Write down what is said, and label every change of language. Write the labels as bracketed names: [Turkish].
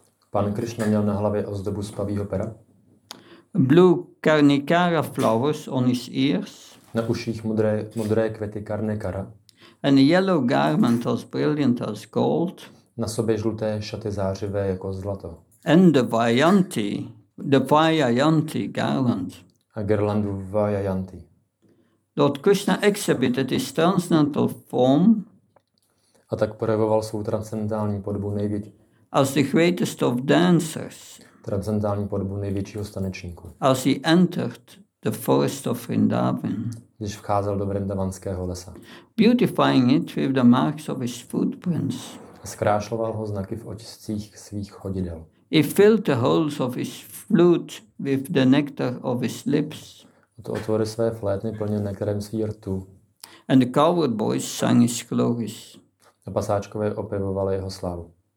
[Czech] Pan Krishna měl na hlavě ozdobu z pavýho pera. [English] Blue karnikara flowers on his ears. [Czech] Na uších modré květy karnikara. [English] And a yellow garment as brilliant as gold. [Czech] Na sobě žluté šaty zářivé jako zlato. [English] And the Vajayanti garland. [Czech] A girlandu Vajayanti. [English] Lord Krishna exhibited his transcendental form. [Czech] A tak projevoval svou transcendentální podobu největší. [English] As the greatest of dancers. [Czech] Transcendentální podobu největšího tanečníku. [English] As he entered the forest of Vrindavan. [Czech] Když vcházel do vrindavanského lesa. [English] Beautifying it with the marks of his footprints. [Czech] Zkrášloval ho znaky v otiscích svých chodidel. [English] He filled the holes of his flute with the nectar of his lips. [Czech] To otvory své flétny plněné nektarem svých rtů. [English] And the coward boys sang his glories. [Czech] A pasáčkové opěvovali jeho slavu.